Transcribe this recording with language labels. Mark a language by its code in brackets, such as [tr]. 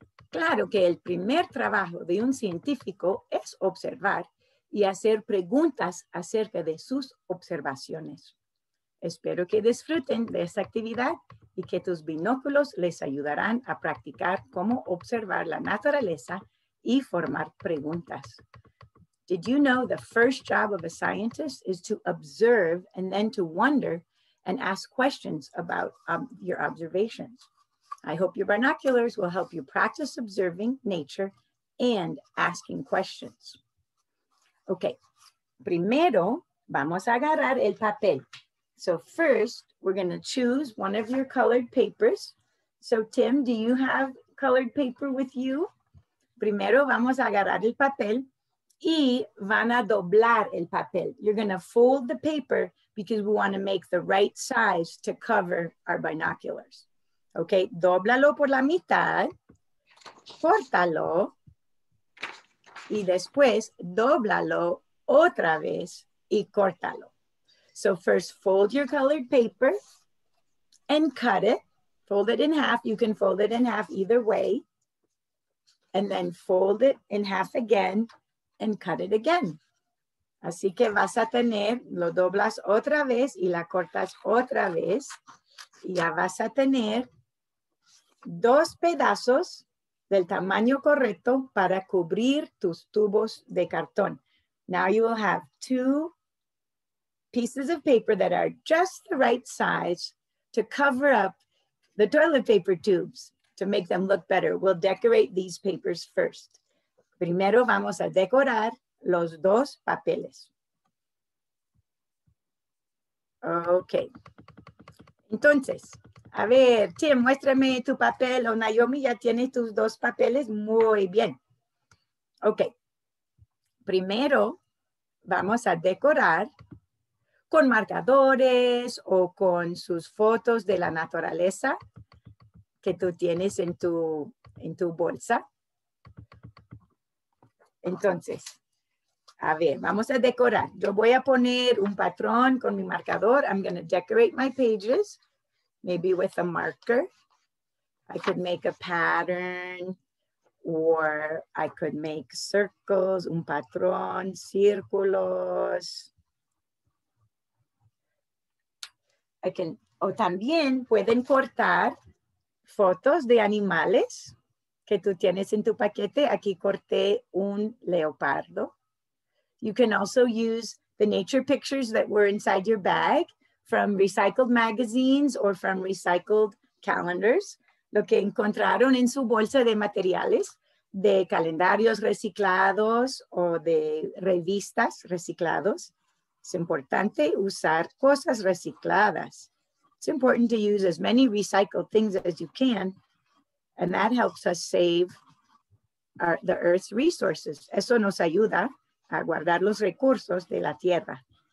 [es] Claro que el primer trabajo de un científico es observar y hacer preguntas acerca de sus observaciones. Espero que disfruten de esta actividad y que tus binóculos les ayudarán a practicar cómo observar la naturaleza y formar preguntas. [en] Did you know the first job of a scientist is to observe and then to wonder and ask questions about your observations? I hope your binoculars will help you practice observing nature and asking questions. [es] Okay, primero vamos a agarrar el papel. [en] So first, we're gonna choose one of your colored papers. So Tim, do you have colored paper with you? [es] Primero vamos a agarrar el papel y van a doblar el papel. You're gonna fold the paper because we wanna make the right size to cover our binoculars. Okay, dóblalo por la mitad, córtalo, y después dóblalo otra vez y córtalo. [en] So first fold your colored paper and cut it. Fold it in half. You can fold it in half either way. And then fold it in half again and cut it again. [es] Así que vas a tener, lo doblas otra vez y la cortas otra vez. Y ya vas a tener dos pedazos del tamaño correcto para cubrir tus tubos de cartón. [en] Now you will have two pieces of paper that are just the right size to cover up the toilet paper tubes to make them look better. We'll decorate these papers first. [es] Primero vamos a decorar los dos papeles. Okay. Entonces, a ver, Tim, muéstrame tu papel. O Naomi, ya tienes tus dos papeles. Muy bien. Ok. Primero, vamos a decorar con marcadores o con sus fotos de la naturaleza que tú tienes en tu bolsa. Entonces, a ver, vamos a decorar. Yo voy a poner un patrón con mi marcador. [en] I'm going to decorate my pages, maybe with a marker. I could make a pattern, or I could make circles, [es] un patrón, círculos. O también pueden cortar fotos de animales que tú tienes en tu paquete. Aquí corté un leopardo. [en] You can also use the nature pictures that were inside your bag from recycled magazines or from recycled calendars. [es] Lo que encontraron en su bolsa de materiales, de calendarios reciclados o de revistas reciclados. Es importante usar cosas recicladas. [en] It's important to use as many recycled things as you can, and that helps us save the Earth's resources. [es] Eso nos ayuda a guardar los recursos de la Tierra.